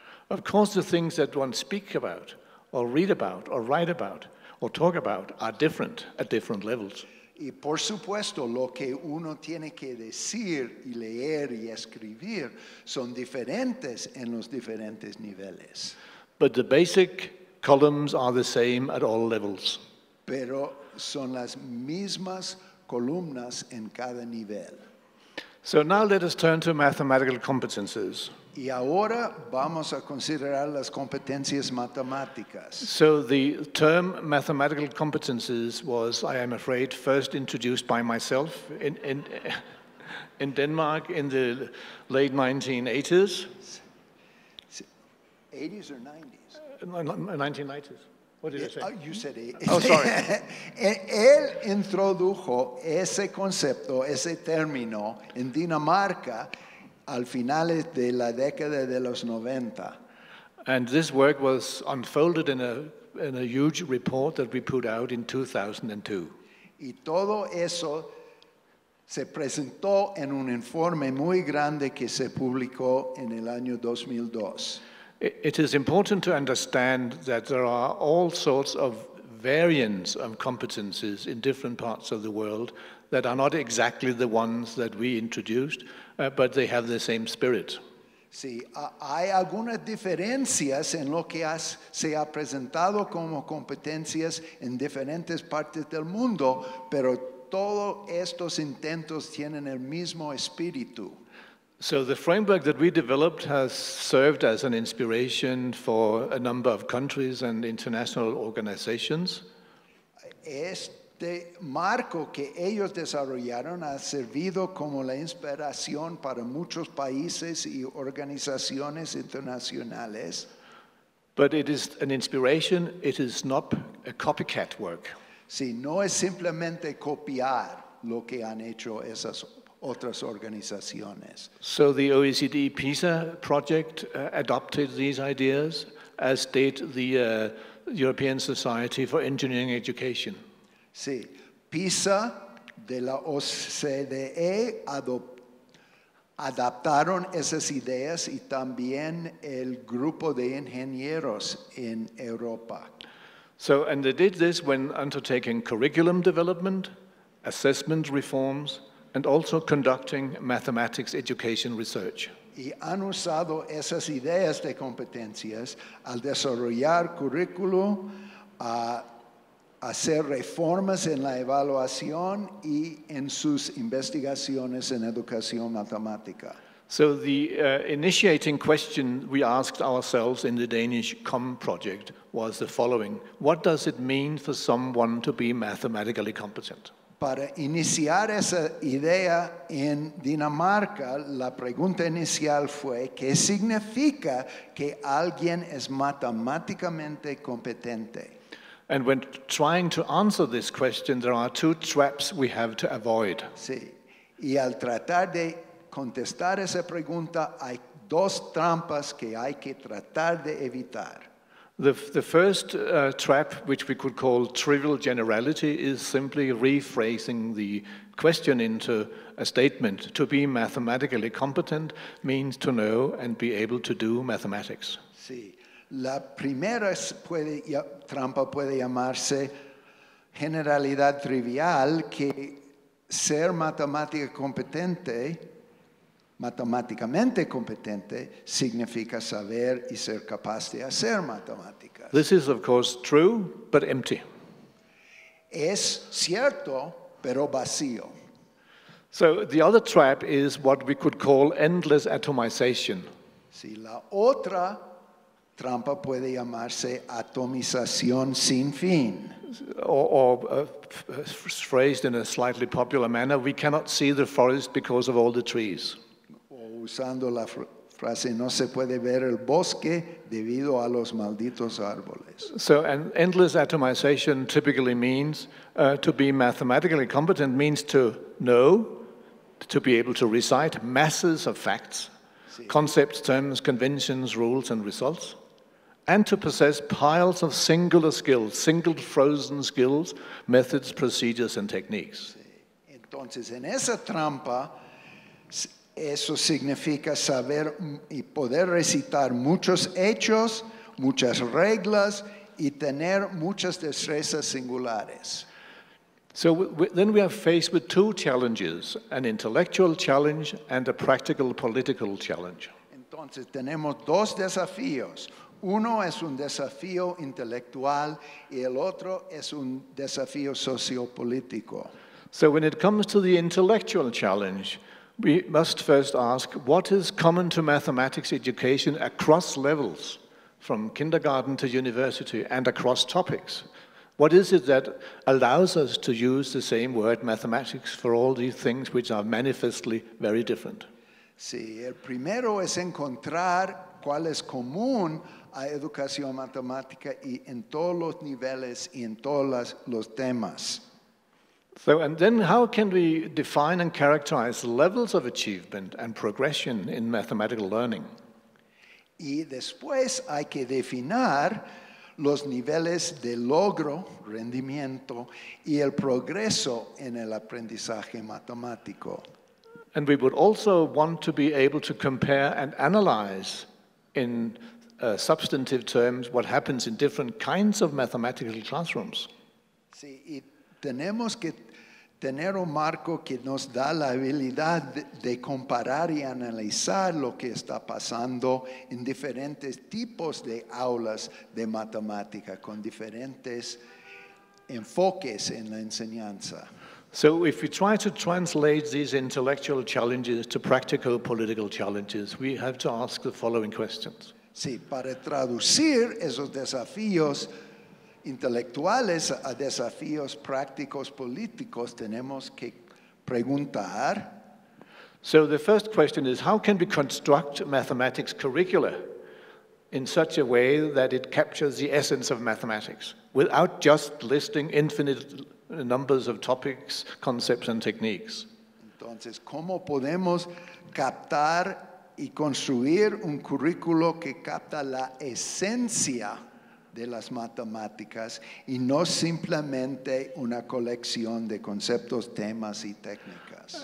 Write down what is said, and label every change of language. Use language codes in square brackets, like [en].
[en] Of course, the things that one speaks about, or read about, or write about, or talk about are different at different levels. [es] Y por supuesto, lo que uno tiene que decir y leer y escribir son diferentes en los diferentes niveles. [en] But the basic columns are the same at all levels. [es] Pero son las mismas columnas en cada nivel. [en] So now let us turn to mathematical competences. [es] Y ahora vamos a considerar las competencias matemáticas. [en] So the term mathematical competences was, I am afraid, first introduced by myself in Denmark in the late 1980s. 80s or 90s? 1990s. What did I say? You said 80s. Oh, sorry. [es] Él introdujo ese concepto, ese término, en Dinamarca al final de la década de los 90. [en] And this work was unfolded in a huge report that we put out in 2002. [es] Y todo eso se presentó en un informe muy grande que se publicó en el año 2002. [en] It is important to understand that there are all sorts of variants of competences in different parts of the world that are not exactly the ones that we introduced, but they have the same spirit. [es] Sí, hay algunas diferencias en lo que se ha presentado como competencias en diferentes partes del mundo, pero todos estos intentos tienen el mismo espíritu. [en] So the framework that we developed has served as an inspiration for a number of countries and international organizations. [es] Este marco que ellos desarrollaron ha servido como la inspiración para muchos países y organizaciones internacionales. [en] But it is an inspiration, it is not a copycat work. [es] Sí, no es simplemente copiar lo que han hecho esas otras organizaciones. [en] So the OECD PISA project adopted these ideas, as did the European Society for Engineering Education. [es] Sí, PISA de la OCDE adaptaron esas ideas y también el grupo de ingenieros en Europa. [en] So, and they did this when undertaking curriculum development, assessment reforms, and also conducting mathematics education research. [es] Y han usado esas ideas de competencias al desarrollar currículo, a hacer reformas en la evaluación y en sus investigaciones en educación matemática. [en] So the initiating question we asked ourselves in the Danish COM project was the following: what does it mean for someone to be mathematically competent? [es] Para iniciar esa idea en Dinamarca, la pregunta inicial fue, ¿qué significa que alguien es matemáticamente competente? [en] And when trying to answer this question, there are two traps we have to avoid. [es] Sí. Y al tratar de contestar esa pregunta, hay dos trampas que hay que tratar de evitar. [en] The first trap, which we could call trivial generality, is simply rephrasing the question into a statement. To be mathematically competent means to know and be able to do mathematics. [es] Sí. La primera trampa puede llamarse generalidad trivial, que ser matemáticamente competente significa saber y ser capaz de hacer matemáticas. [en] This is, of course, true, but empty. [es] Es cierto, pero vacío. [en] So the other trap is what we could call endless atomization. [es] Sí, la otra trampa puede llamarse atomización sin fin. [en] Or phrased in a slightly popular manner, we cannot see the forest because of all the trees. [es] Usando la frase, no se puede ver el bosque debido a los malditos árboles. [en] So an endless atomization typically means to be mathematically competent means to know, to be able to recite masses of facts, sí, concepts, terms, conventions, rules, and results, and to possess piles of singular skills, single frozen skills, methods, procedures, and techniques. [es] Sí. Entonces, en esa trampa, eso significa saber y poder recitar muchos hechos, muchas reglas y tener muchas destrezas singulares. [en] So then we are faced with two challenges, an intellectual challenge and a practical political challenge. [es] Entonces tenemos dos desafíos. Uno es un desafío intelectual y el otro es un desafío sociopolítico. [en] So when it comes to the intellectual challenge, We must first ask, what is common to mathematics education across levels, from kindergarten to university and across topics? What is it that allows us to use the same word mathematics for all these things which are manifestly very different? [es] Sí, el primero es encontrar cuál es común a educación matemática y en todos los niveles y en todos los temas. [en] So, and then how can we define and characterize levels of achievement and progression in mathematical learning? [es] Y después hay que definir los niveles de logro, rendimiento, y el progreso en el aprendizaje matemático. [en] And we would also want to be able to compare and analyze in substantive terms what happens in different kinds of mathematical classrooms. [es] Sí, y tenemos que tener un marco que nos da la habilidad de comparar y analizar lo que está pasando en diferentes tipos de aulas de matemática con diferentes enfoques en la enseñanza. [en] So if we try to translate these intellectual challenges to practical political challenges, we have to ask the following questions. [es] Sí, para traducir esos desafíos intelectuales a desafíos prácticos políticos, tenemos que preguntar. [en] So the first question is, how can we construct mathematics curricula in such a way that it captures the essence of mathematics without just listing infinite numbers of topics, concepts and techniques? [es] Entonces, ¿cómo podemos captar y construir un currículo que capta la esencia de las matemáticas y no simplemente una colección de conceptos, temas y técnicas?